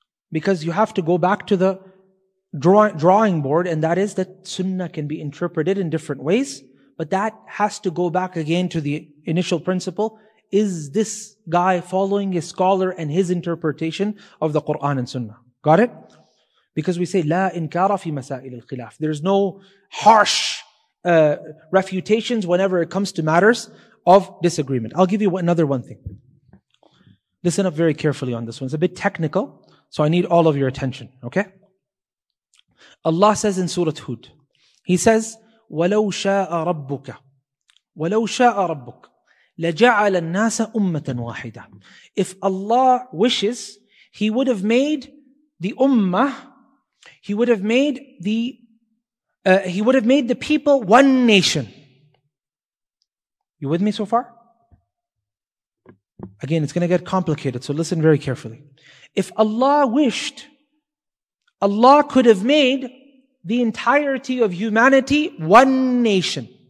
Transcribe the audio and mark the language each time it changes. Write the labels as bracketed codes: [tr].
[en] Because you have to go back to the drawing board, and that is that sunnah can be interpreted in different ways, but that has to go back again to the initial principle. Is this guy following a scholar and his interpretation of the Quran and sunnah? Got it? Because we say, [ar] لا إنكار في مسائل الخلاف. [en] There's no harsh refutations whenever it comes to matters of disagreement. I'll give you another thing. Listen up very carefully on this one. It's a bit technical, so I need all of your attention, okay? Allah says in Surah Hud, He says, [ar] وَلَوْ شَاءَ رَبُّكَ وَلَوْ شَاءَ رَبُّكَ لَجَعَلَ النَّاسَ أُمَّةً وَاحِدًا. [en] If Allah wishes, He would have made the ummah, He would have made the He would have made the people one nation. You with me so far? Again, it's going to get complicated, so listen very carefully. If Allah wished, Allah could have made the entirety of humanity one nation.